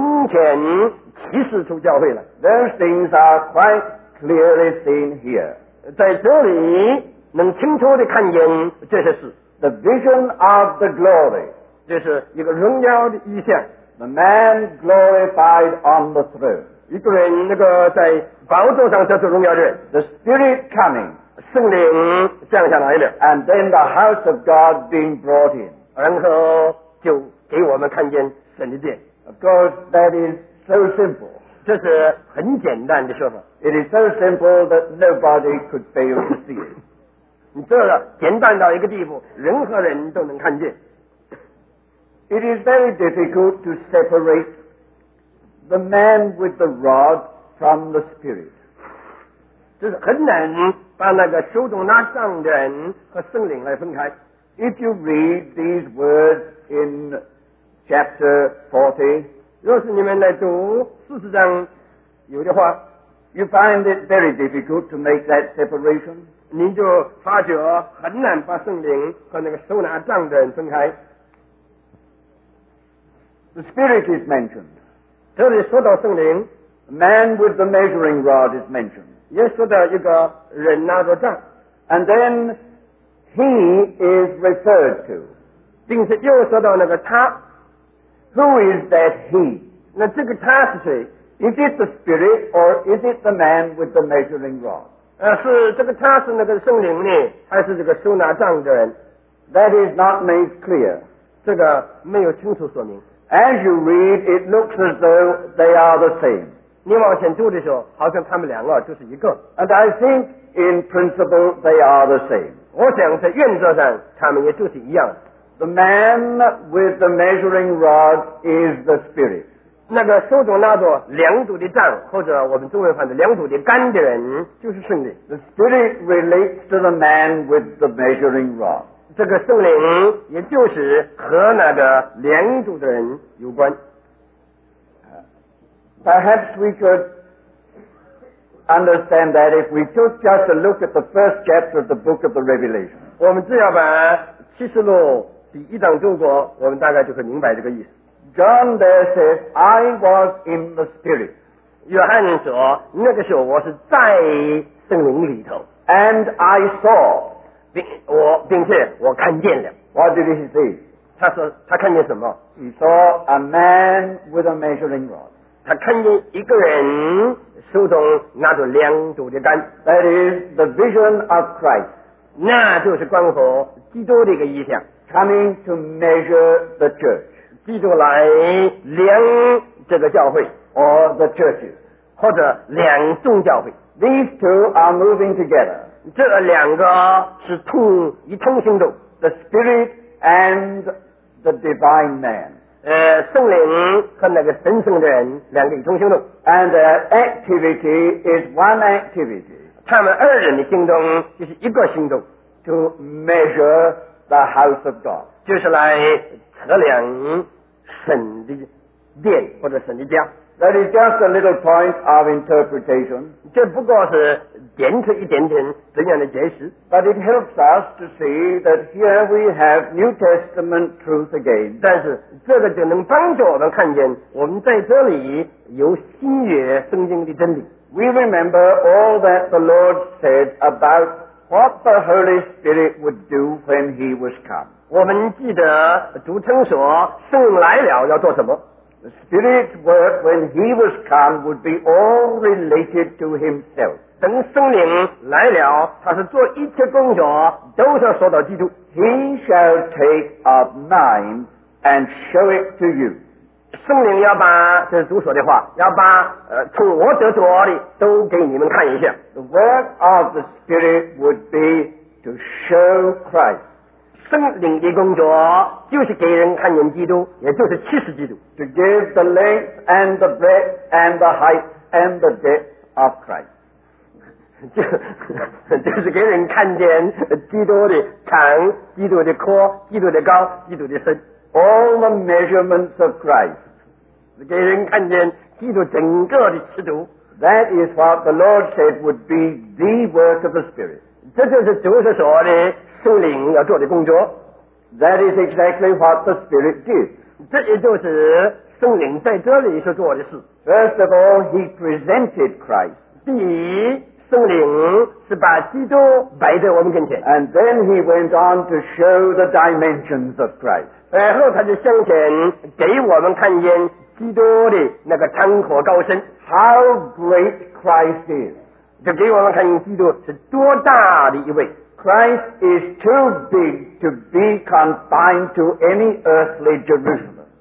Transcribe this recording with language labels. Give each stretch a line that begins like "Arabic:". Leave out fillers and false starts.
Chinese: 就是为着要成全启示出教会了。
English: Those things are quite clearly seen here.
Chinese: 在这里能清楚地看见这些事。
English: The vision of the glory.
Chinese: 这是一个荣耀的意象。
English: The man glorified on the throne.
Chinese: 一个人那个在宝座上得着荣耀的人。
English: The spirit coming.
Chinese: 圣灵降下来了,
English: and then the house of God being brought in.
Chinese: 然后就给我们看见神的殿。
English: Of course, that is so simple.
Chinese: 这是很简单的说法。
English: It is so simple that nobody could fail to see it.
Chinese: 你做了简单到一个地步, 任何人都能看见。
English: It is very difficult to separate the man with the rod from the spirit.
Chinese: 这是很难把那个手中拿杖的人和圣灵来分开。
English: If you read these words in chapter 40,
Chinese: 若是你们来读四十章有的话
English: ，you find it very difficult to make that separation.
Chinese: 你就发觉很难把圣灵和那个手拿杖的人分开。
English: The spirit is mentioned.
Chinese: 这里说到圣灵
English: ，the man with the measuring rod is mentioned.
Chinese: 也说到一个人拿着杖
English: ，and then. He is referred to.
Chinese: 并且又说到那个他。
English: Who is that he?
Chinese: 那这个他是谁？
English: Is it the spirit or is it the man with the measuring rod?
Chinese: 是这个他是那个圣灵呢，还是这个手拿杖的人？
English: That is not made clear.
Chinese: 这个没有清楚说明。
English: As you read, it looks as though they are the same.
Chinese: 你往前读的时候，好像他们两个就是一个。
English: And I think in principle they are the same.
Chinese: 我想在原则上他们也就是一样
English: The man with the measuring rod is the spirit.
Chinese: 那个手中拿着量度的杖或者我们中文翻译量度的杆的人就是圣灵
English: The spirit relates to the man with the measuring rod.
Chinese: 这个圣灵也就是和那个量度的人有关
English: Perhaps we couldUnderstand that if we took just a look at the first chapter of the book of the Revelation.
Chinese: 我们只要把启示录第一章读过，我们大概就会明白这个意思。
English: John there says, "I was in the Spirit."
Chinese: 约翰说，那个时候我是在圣灵里头。
English: And I saw,
Chinese: 并且我看见了。
English: What did he see?
Chinese: 他说他看见什么
English: ？He saw a man with a measuring rod.
Chinese: 他看见一个人。手中拿着量度的杆
English: That is the vision of Christ.
Chinese: 那就是关乎基督的一个意象
English: Coming to measure the church.
Chinese: 基督来量这个教会
English: Or the churches.
Chinese: 或者两众教会
English: These two are moving together.
Chinese: 这两个是同一通行动
English: The spirit and the divine man.
Chinese: 圣灵和那个神圣的人两个一同行动
English: and activity is one activity
Chinese: 他们二人的行动就是一个行动
English: to measure the house of God
Chinese: 就是来测量神的殿或者神的家
English: that is just a little point of interpretation
Chinese: 这不过是点出一点点怎样的解释
English: but it helps us to see that here we have New Testament truth again
Chinese: 但是这个就能帮助我们看见我们在这里有新约圣经的真理
English: we remember all that the Lord said about what the Holy Spirit would do when he was come
Chinese: 我们记得主曾说圣灵来了要做什么
English: the Spirit's work when he was come would be all related to himself
Chinese: 等圣灵来了他是做一切工作都是说到基督
English: He shall take of mine and show it to you
Chinese: 圣灵要把这是主所的话要把从我得着的都给你们看一下
English: The work of the Spirit would be to show Christ
Chinese: 圣灵的工作就是给人看见基督也就是启示基督
English: To give the length and the breadth and the height and the depth of Christ
Chinese: 就是给人看见基督的长基督的阔基督的高基督的深
English: All the measurements of Christ
Chinese: 给人看见基督整个的尺度
English: That is what the Lord said would be the work of the Spirit
Chinese: 这就是主所说的圣灵要做的工作
English: That is exactly what the Spirit did
Chinese: 这也就是圣灵在这里所做的事
English: First of all, he presented Christ
Chinese: 第一圣灵是把基督摆在我们跟前
English: and then he went on to show the dimensions of Christ
Chinese: 然后他就向前给我们看见基督的那个长阔高深
English: how great Christ is
Chinese: 就给我们看见基督是多大的一位
English: Christ is too big to be confined to any earthly Jerusalem